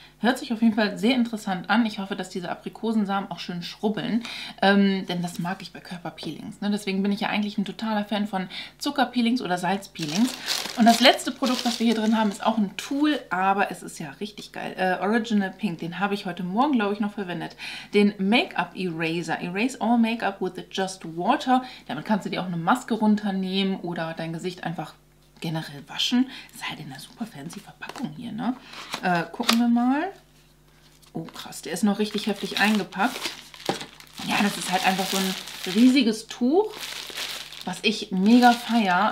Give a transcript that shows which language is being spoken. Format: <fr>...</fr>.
<de>Hört sich auf jeden Fall sehr interessant an. Ich hoffe, dass diese Aprikosensamen auch schön schrubbeln. Denn das mag ich bei Körperpeelings. Ne? Deswegen bin ich ja eigentlich ein totaler Fan von Zuckerpeelings oder Salzpeelings. Und das letzte Produkt, was wir hier drin haben, ist auch ein Tool. Aber es ist ja richtig geil. Original Pink. Den habe ich heute Morgen, glaube ich, noch verwendet. Den Make-up Eraser.</de> <en>Erase all Make-up with just water.</en> <de>Damit kannst du dir auch eine Maske runternehmen. Nehmen oder dein Gesicht einfach generell waschen. Ist halt in einer super fancy Verpackung hier, ne? Gucken wir mal. Oh krass, der ist noch richtig heftig eingepackt. Ja, das ist halt einfach so ein riesiges Tuch, was ich mega feier.</de>